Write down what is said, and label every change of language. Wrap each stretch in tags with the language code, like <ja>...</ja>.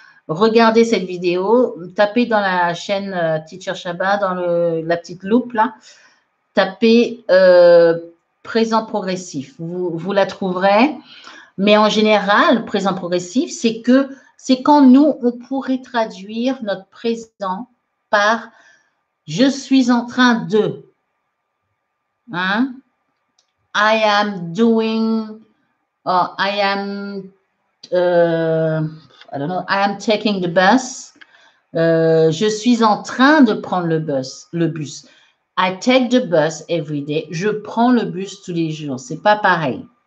<fr>Regardez cette vidéo, tapez dans la chaîne Teacher Shaba, dans la petite loupe là, tapez présent progressif. Vous la trouverez. Mais en général, le présent progressif, c'est quand nous, on pourrait traduire notre présent par je suis en train de.</fr> <en>Hein? I am doing Oh, I am, I don't know, I am taking the bus.</en> <fr>Je suis en train de prendre le bus.</fr> <en>I take the bus every day.</en> <fr>Je prends le bus tous les jours. C'est pas pareil.</fr>